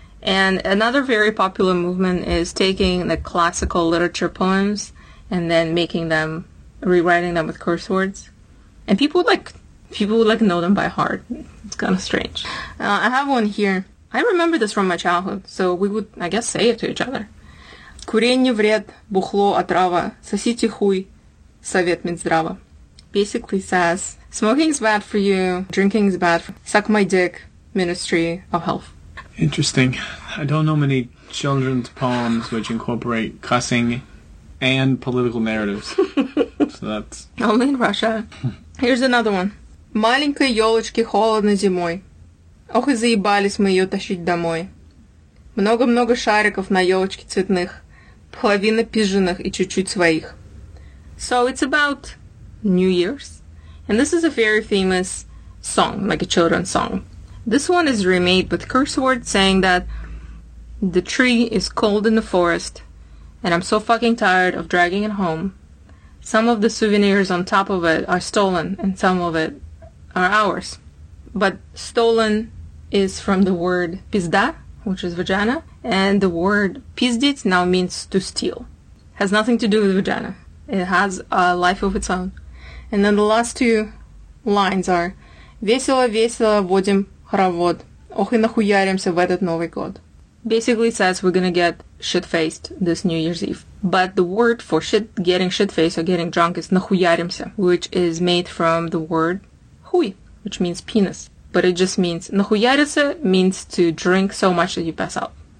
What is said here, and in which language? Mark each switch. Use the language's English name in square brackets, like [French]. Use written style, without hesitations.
[English] And another very popular movement is taking the classical literature poems and then making them, rewriting them with curse words. And people would know them by heart. It's kind of strange. I have one here. I remember this from my childhood, so we would, I guess, say it to each other. [Russian] Курение вред, бухло отрава, сосите хуй, совет Минздрава. [English] Basically says, smoking's bad for you, drinking's bad for you. Suck my dick, Ministry of Health. Interesting. I don't know many children's poems which incorporate cussing and political narratives. So that's... Only in Russia. Here's another one. [Russian] Маленькой ёлочке холодно зимой. Ох и заебались мы её тащить домой. Много-много шариков на ёлочке цветных. Половина пижаных и чуть-чуть своих. [English] So it's about New Year's. And this is a very famous song, like a children's song. This one is remade with curse words saying that the tree is cold in the forest and I'm so fucking tired of dragging it home. Some of the souvenirs on top of it are stolen and some of it are ours. But stolen is from the word pizda, which is vagina, and the word pizdit now means to steal. Has nothing to do with vagina. It has a life of its own. And then the last two lines are [Russian] весело-весело водим хоровод. Ох и нахуяримся в этот Новый год. [English] Basically says we're gonna get shit-faced this New Year's Eve. But the word for shit, getting shit-faced or getting drunk is нахуяримся, which is made from the word хуй, which means penis. But it just means нахуяриться means to drink so much that you pass out.